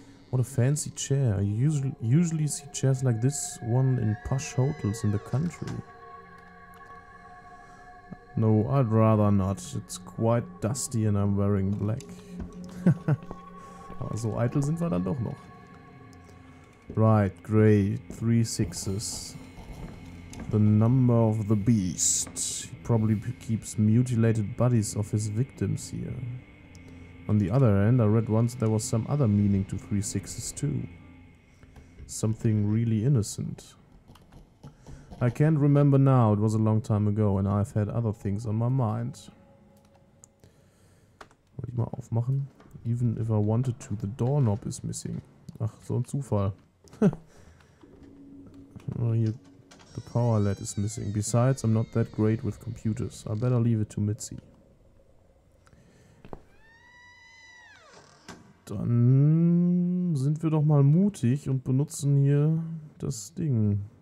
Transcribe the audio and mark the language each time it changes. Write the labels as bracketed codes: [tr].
[en] What a fancy chair. You usually see chairs like this one in posh hotels in the country. No, I'd rather not. It's quite dusty and I'm wearing black. [de] Aber so eitel sind wir dann doch noch. [en] Right, grey, 3 sixes. The number of the beast. He probably keeps mutilated bodies of his victims here. On the other hand, I read once there was some other meaning to 3 sixes too. Something really innocent. I can't remember now, it was a long time ago and I've had other things on my mind. [de] Wollte ich mal aufmachen? [en] Even if I wanted to, the doorknob is missing. [de] Ach, so ein Zufall. [en] The power LED is missing. Besides, I'm not that great with computers. I better leave it to Mitzi. [de] Dann sind wir doch mal mutig und benutzen hier das Ding.